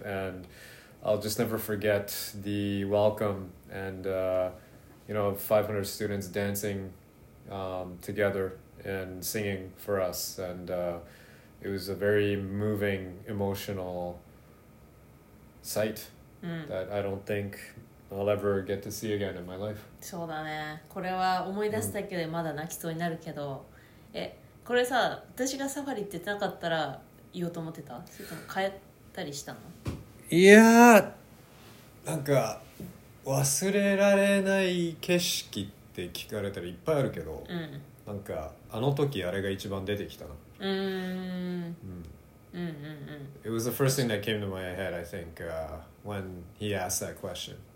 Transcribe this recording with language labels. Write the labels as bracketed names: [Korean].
[English] And I'll just never forget the welcome and, you know, 500 students dancing together and singing for us. And it was a very moving, emotional sight that I don't think I'll ever get to see again in my life. [Japanese] そうだね。これは思い出すだけでまだ泣きそうになるけど、え、これさ、私がサファリって言ってなかったら言おうと思ってた？それとも変えたりしたの？いやー、なんか忘れられない景色って聞かれたらいっぱいあるけど、うん、なんかあの時あれが一番出てきたな。 [English] It was the first thing that came to my head, I think, when he asked that question.